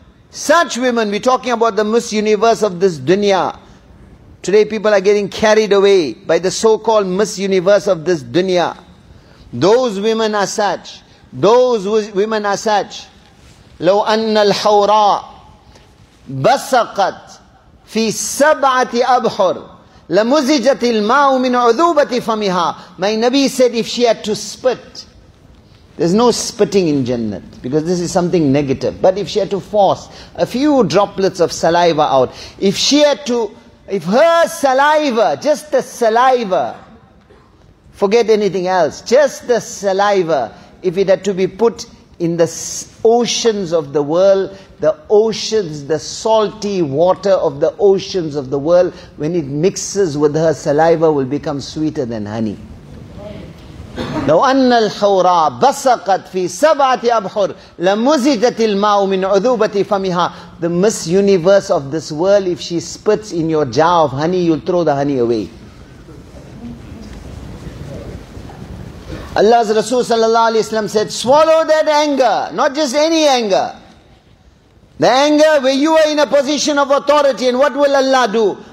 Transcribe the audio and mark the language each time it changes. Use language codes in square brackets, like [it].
[en] Such women, we're talking about the Miss Universe of this dunya. Today people are getting carried away by the so-called Miss Universe of this dunya. Those women are such. [ar] لو أن الحوراء بسقت في سبعة أبحر لمزجت الماء من عذوبة فمها. [en] My Nabi said, if she had to spit, there's no spitting in Jannat because this is something negative. But if she had to force a few droplets of saliva out, if her saliva, if it had to be put in the oceans of the world, the oceans, the salty water of the oceans of the world, when it mixes with her saliva, will become sweeter than honey. [ar] لو أن الحوراء بسقت في سبعة أبحر لمزجت الماء من عذوبة فمها. [en] The Miss Universe of this world, if she spits in your jar of honey, you'll throw the honey away. Allah's Rasul sallallahu alayhi wa sallam said, swallow that anger, not just any anger. The anger where you are in a position of authority, and what will Allah do?